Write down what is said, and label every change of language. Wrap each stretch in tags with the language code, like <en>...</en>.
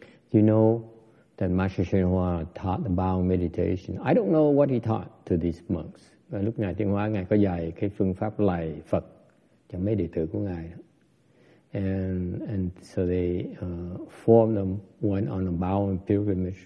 <en>You know that Master Shen Hua taught the bowing meditation. I don't know what he taught to these monks.</en> <vi>Lúc ngài Tiên Hóa, ngài có dạy cái phương pháp lạy Phật cho mấy đệ tử của ngài.</vi> <en>And so they formed them, went on a bowing pilgrimage.</en>